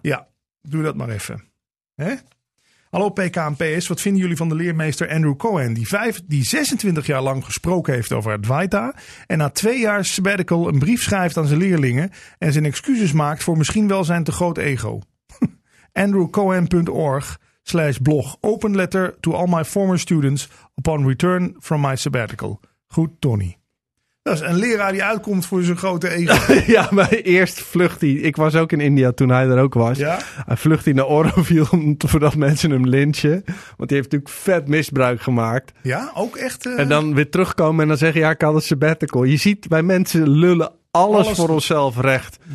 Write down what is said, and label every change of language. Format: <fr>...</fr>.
<nl>Ja, doe dat maar even. Hè? Hallo PK en PS, wat vinden jullie van de leermeester Andrew Cohen, die 26 jaar lang gesproken heeft over Advaita en na 2 jaar sabbatical een brief schrijft aan zijn leerlingen en zijn excuses maakt voor misschien wel zijn te groot ego?</nl> <en>AndrewCohen.org/blog, open letter to all my former students upon return from my sabbatical.</en> <nl>Goed, Tony. Dat is een leraar die uitkomt voor zijn grote ego. Ja, maar eerst vlucht hij. Ik was ook in India toen hij er ook was. Ja? Hij vlucht hij naar Oroville voordat mensen hem lynchen. Want hij heeft natuurlijk vet misbruik gemaakt. Ja, ook echt. En dan weer terugkomen en dan zeggen, ja, ik had een sabbatical. Je ziet bij mensen lullen alles voor onszelf recht.</nl>